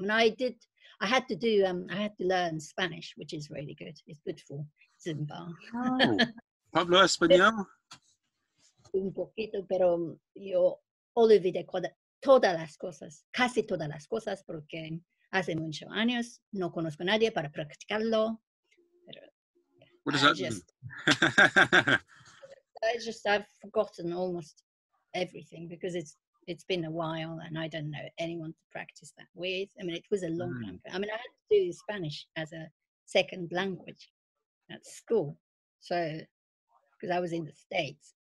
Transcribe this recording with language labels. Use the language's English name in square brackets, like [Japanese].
[English] And I had to learn Spanish, which is really good. It's good for Zumba. Oh. [Spanish] Pablo Español. Un poquito, pero yo olvidé de todas las cosas, casi todas las cosas, porque hace muchos años no conozco a nadie para practicarlo. Pero, [English] yeah, what does that mean? I've forgotten almost everything because it's been a while and I don't know anyone to practice that with. I mean, it was a long time. I mean, I had to do Spanish as a second language at school, so because I was in the States.